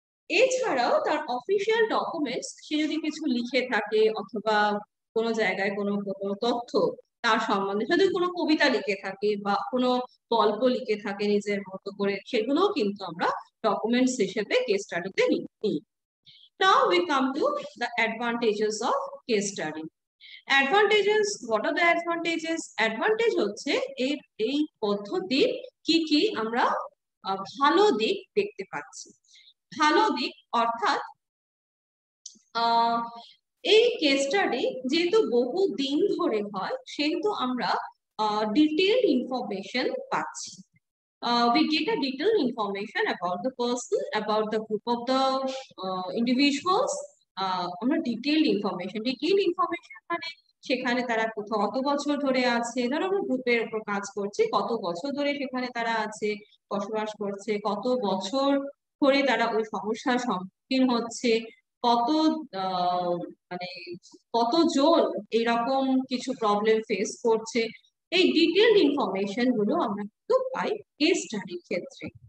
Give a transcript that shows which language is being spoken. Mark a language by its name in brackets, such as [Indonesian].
[Bangla] এছাড়াও তার official documents সে যদি কিছু লিখে থাকে, অথবা কোনো জায়গায় কোনো কোনো তথ্য তার সম্বন্ধে, যদি কোনো কবিতা লিখে থাকে বা কোনো গল্প লিখে থাকে নিজের মতো করে, সেগুলোও কিন্তু আমরা ডকুমেন্টস হিসেবে কেস স্টাডিতে নিই। [English] Now we come to the advantages of case study. Advantages, what are the advantages? [Bangla] Advantage হচ্ছে এই এই পদ্ধতির কি কি আমরা ভালো দিক দেখতে পাচ্ছি। ভালো দিক অর্থাৎ এই কেস স্টাডি যেহেতু বহু দিন ধরে হয়, সেহেতু আমরা ডিটেইলড ইনফরমেশন পাচ্ছি। [English] We get a detailed information about the person, about the group of the individuals. [Bangla] আমরা ডিটেইলড ইনফরমেশন, ডিটেইলড ইনফরমেশন মানে সেখানে তারা কোথাও কত বছর ধরে আছে, ধরো আমরা গ্রুপের উপর কাজ করছি, কত বছর ধরে সেখানে তারা আছে, বসবাস করছে, কত বছর ধরে তারা ওই সমস্যার সম্মুখীন হচ্ছে, কত মানে কতজন এরকম কিছু প্রবলেম ফেস করছে, এই ডিটেইলড ইনফরমেশন গুলো আমরা কিন্তু পাই কেস স্টাডির ক্ষেত্রে।